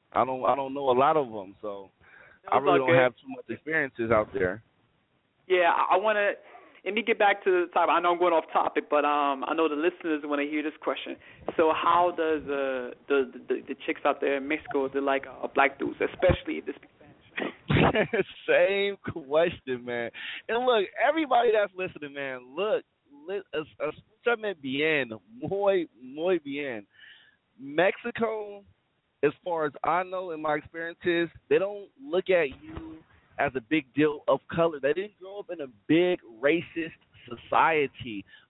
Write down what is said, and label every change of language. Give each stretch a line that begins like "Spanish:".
English: I don't know a lot of them, so I really don't have too much experiences out there. Yeah, let me get back to the topic. I know I'm going off topic, but I know the listeners want to hear this question. So how does the chicks out there in Mexico, they're like black dudes, especially if they speak Spanish? Same question, man. And look, everybody that's listening, man, look,
Spanish: escúchame bien, muy, muy bien.
English: Mexico, as far as I know in my experiences, they don't look at you as a big deal of color. They didn't grow up in a big racist society.